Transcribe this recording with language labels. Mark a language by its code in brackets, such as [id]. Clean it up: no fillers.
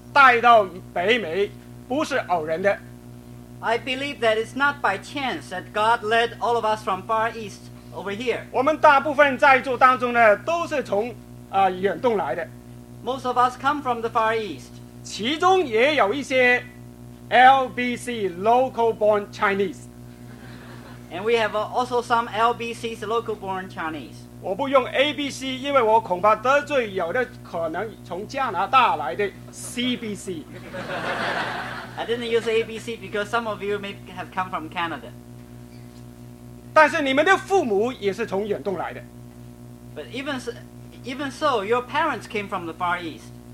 [zh] 我相信神把我们这一半人从远东带到北美不是偶然的。 [en] I believe that it's not by chance that God led all of us from far east over here. [zh] 我们大部分在座当中呢都是从远东来的。 [en] Most of us come from the far east. [zh] 其中也有一些 LBC, [en] local-born Chinese. And we have also some LBCs, local-born Chinese. [zh] 我不用 ABC, 因为我恐怕得罪有的可能从加拿大来的 CBC. [en] I didn't use ABC because some of you may have come from Canada. [zh] 但是你们的父母也是从远东来的。 [en] But even so, your parents came from the Far East.